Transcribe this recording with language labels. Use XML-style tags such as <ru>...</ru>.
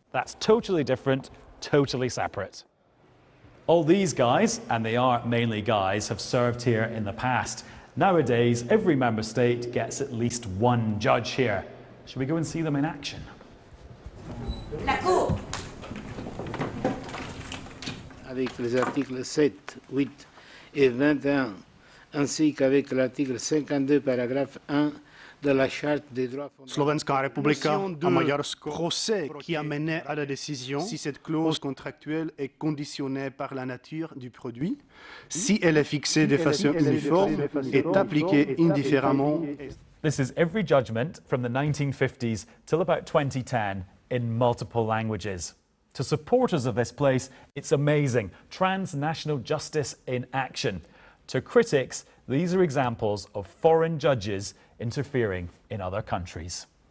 <en>That's totally different, totally separate. All these guys, and they are mainly guys, have served here in the past. Nowadays, every member state gets at least one judge here. Should we go and see them in action?</en> <fr>La Cour. Avec les articles 7, 8 et 21, ainsi qu'avec l'article 52, paragraphe 1 de la Charte des droits fondamentaux. Slovenská republika a Maďarsko. Procès qui a mené à la décision si cette clause contractuelle est conditionnée par la nature du produit, si elle est fixée de façon uniforme et appliquée indifféremment.</fr> <en>This is every judgment from the 1950s till about 2010 in multiple languages. To supporters of this place, it's amazing. Transnational justice in action. To critics, these are examples of foreign judges interfering in other countries.</en>